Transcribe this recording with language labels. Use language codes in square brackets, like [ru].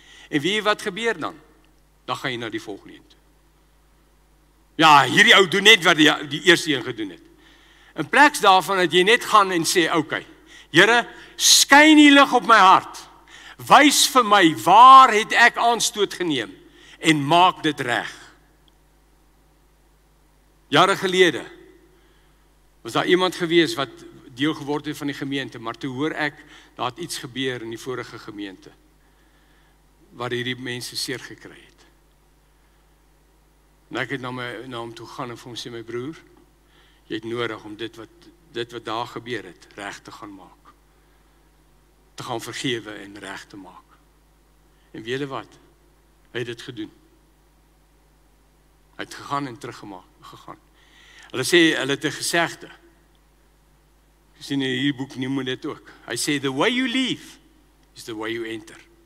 [af] En weet jy wat gebeur dan? Dan ga jy na die volgende toe. Ja, hierdie ou doe net wat die eerste een gedoen het. In plek daarvan dat jy net gaan en sê, oké, okay, Here, skyn die lig op my hart, wys vir my, waar het ek aanstoot geneem, en maak dit reg. Jare gelede, was daar iemand gewees wat deel geword het van die gemeente, maar toe hoor ek, daar het iets gebeur in die vorige gemeente, waar hierdie mense seer gekry het. En ek het na hom toe gaan en vir hom sê, my broer, jy het nodig om dit wat daar gebeur het, reg te gaan maak. Te gaan vergewe en reg te maak. En weet jy wat? Hy het dit gedoen. Hy het gegaan en teruggegaan. Hulle sê, hulle het 'n gesegde. Jy sien in hierdie boek, noem dit ook. Hy sê, [en] the way you leave is the way you enter.